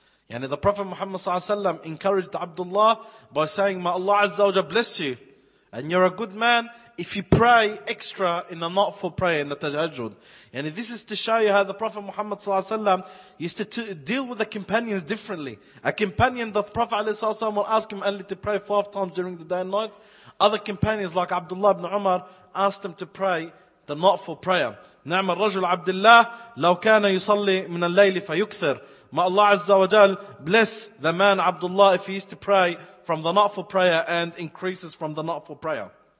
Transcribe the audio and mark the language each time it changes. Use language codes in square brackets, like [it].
[en] Yani the Prophet Muhammad Sallallahu Alaihi Wasallam encouraged Abdullah by saying, may Allah Azza wa Jalla bless you, and you're a good man if you pray extra in the nightfall prayer, in the tajajjud. Yani this is to show you how the Prophet Muhammad Sallallahu Alaihi Wasallam used to deal with the companions differently. A companion that the Prophet Sallallahu Alaihi Wasallam will ask him only to pray five times during the day and night. Other companions like Abdullah ibn Umar asked him to pray the nightfall prayer. [ar] نعم الرجل عبد الله لو كان يصلي من الليل فيكثر. [en] May Allah Azza wa Jal bless the man Abdullah if he used to pray from the nightfall prayer and increases from the nightfall prayer.